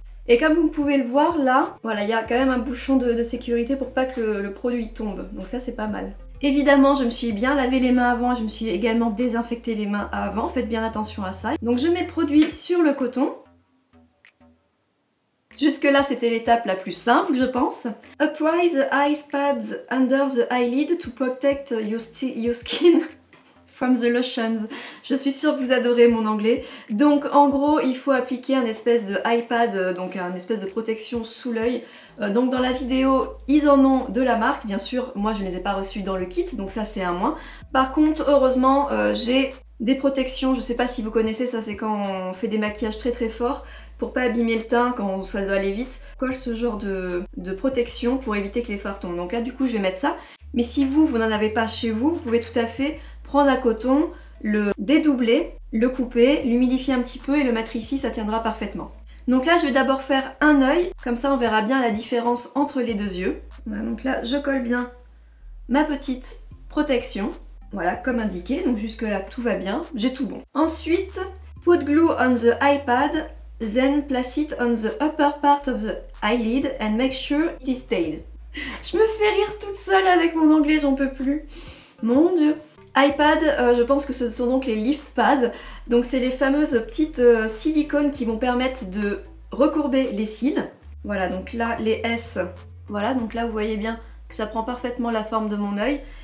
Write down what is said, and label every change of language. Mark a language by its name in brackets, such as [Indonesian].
[French] Et comme vous pouvez le voir là, voilà, il y a quand même un bouchon de sécurité pour pas que le produit tombe. Donc ça, c'est pas mal. Évidemment, je me suis bien lavé les mains avant, je me suis également désinfecté les mains avant. Faites bien attention à ça. Donc je mets le produit sur le coton. Jusque là, c'était l'étape la plus simple, je pense. [English] Apply the eyes pads under the eyelid to protect your skin from the lotions. [French] Je suis sûre que vous adorez mon anglais. Donc, en gros, il faut appliquer un espèce de eye pad, donc un espèce de protection sous l'œil. Donc, dans la vidéo, ils en ont de la marque. Bien sûr, moi, je ne les ai pas reçus dans le kit, donc ça, c'est un moins. Par contre, heureusement, j'ai des protections. Je ne sais pas si vous connaissez ça, c'est quand on fait des maquillages très très forts. Pour pas abîmer le teint quand ça doit aller vite, colle ce genre de protection pour éviter que les fards tombent. Donc là du coup je vais mettre ça. Mais si vous n'en avez pas chez vous, vous pouvez tout à fait prendre un coton, le dédoubler, le couper, l'humidifier un petit peu et le mettre ici, ça tiendra parfaitement. Donc là je vais d'abord faire un œil, comme ça on verra bien la différence entre les deux yeux. Donc là je colle bien ma petite protection, voilà comme indiqué, donc jusque là tout va bien, j'ai tout bon. Ensuite, [English] put glue on the eye pad. Then place it on the upper part of the eyelid and make sure it is stayed. [French] Je me fais rire toute seule avec mon anglais, j'en peux plus. Mon dieu. iPad, je pense que ce sont donc les lift pads. Donc c'est les fameuses petites silicones qui vont permettre de recourber les cils. Voilà, donc là, les S. Voilà, donc là, vous voyez bien que ça prend parfaitement la forme de mon œil.